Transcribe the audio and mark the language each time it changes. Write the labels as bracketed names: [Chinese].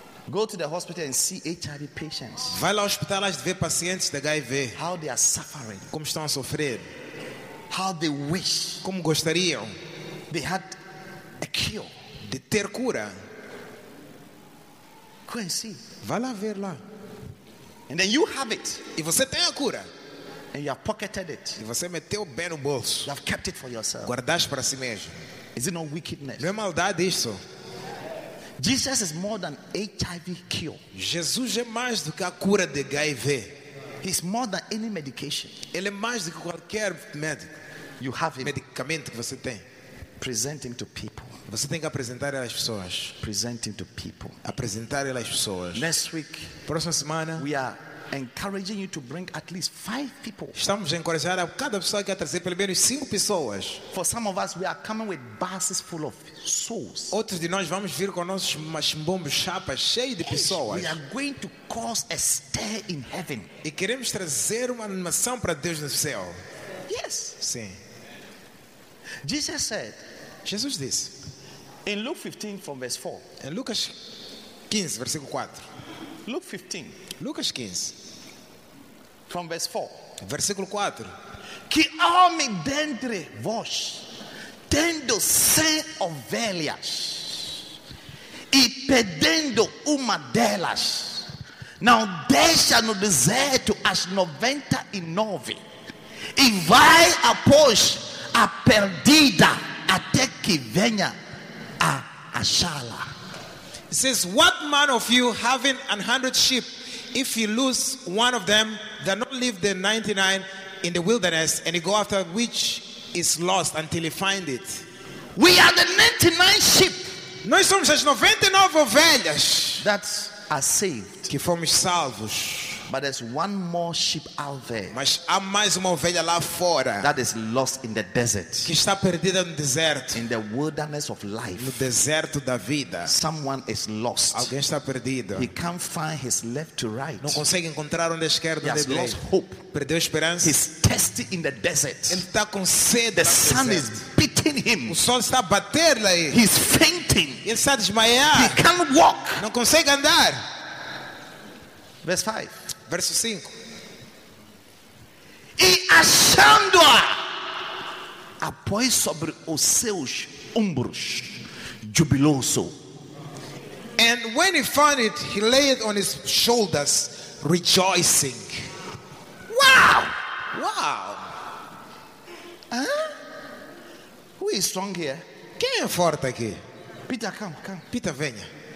[English] Go to the hospital and see HIV patients. [Portuguese] Vai lá ao hospital e vê pacientes de HIV. [English] How they are suffering. [Portuguese] Como estão a sofrer? [English] How they wish. [Portuguese] Como gostariam? [English] They had a cure. [Portuguese] De ter cura. [English] Go and see. [Portuguese] Vai lá ver lá. [English] And then you have it. [Portuguese] E você tem a cura. [English] And you have pocketed it. [Portuguese] E você meteu bem no bolso. [English] You have kept it for yourself. [Portuguese] Guardaste para si mesmo. [English] Is it not wickedness? [Portuguese] Não é maldade isso? [English] Jesus is more than HIV cure. [Portuguese] Jesus é mais do que a cura de HIV. [English] He's more than any medication. [Portuguese] Ele é mais do que qualquer médico. [English] You have him. [Portuguese] Medicamento que você tem. [English] Presenting to people. [Portuguese] Você tem que apresentar às pessoas. [English] Presenting to people. [Portuguese] Apresentar às pessoas. [English] Next week. [Portuguese] Próxima semana. [English] We are encouraging you to bring at least 5 people. [Portuguese] Estamos a encorajar a cada pessoa que a trazer pelo menos 5 pessoas. [English] For some of us, we are coming with buses full of souls. [Portuguese] Outros de nós vamos vir com nossos bombos chapas cheios de pessoas. [English] We are going to cause a stir in heaven. [Portuguese] E queremos trazer uma animação para Deus no céu. [English] Yes. [Portuguese] Sim. [English] Jesus said. [Portuguese] Jesus disse. [English] In Luke 15 from verse 4. [Portuguese] Em Lucas 15 versículo 4. [English] Luke 15. [Portuguese] Lucas 15. [English] From verse 4. [Portuguese] Versículo 4. Que homem dentre vós, tendo 100 ovelhas, e perdendo uma delas, não deixa no deserto as 99 E vai após a perdida até que venha a achá-la. [English] It says, what man of you having 100 sheep, if he lose one of them, does not leave the 99 in the wilderness and he go after which is lost until he find it? We are the 99 sheep. [Portuguese] Nós somos as 99 ovelhas. [English] That are saved. [Portuguese] Que fomos salvos. [English] But there's one more sheep out there. [Portuguese] Mas há mais uma ovelha lá fora. [English] That is lost in the desert. [Portuguese] Que está perdida no deserto. [English] In the wilderness of life. [Portuguese] No deserto da vida. [English] Someone is lost. [Portuguese] Alguém está perdido. [English] He can't find his left to right. [Portuguese] Não consegue encontrar onde esquerda. [English] He has lost hope. [Portuguese] Perdeu esperança. [English] He's thirsty in the desert. [Portuguese] Ele está com sede. [English] The sun is beating him. [Portuguese] O sol está a bater-lhe. [English] He's fainting. [Portuguese] Ele está a desmaiar. [English] He can't walk. [Portuguese] Não consegue andar. [English] Verse 5. [Portuguese] Verso 5. E achando-a, apôs sobre os seus ombros, jubiloso. [English] And when he found it, he laid it on his shoulders, rejoicing. Wow! Wow! Huh? Who is strong here? [Portuguese] Quem é forte aqui? [English] Peter, come, come. [Portuguese] Peter, venha.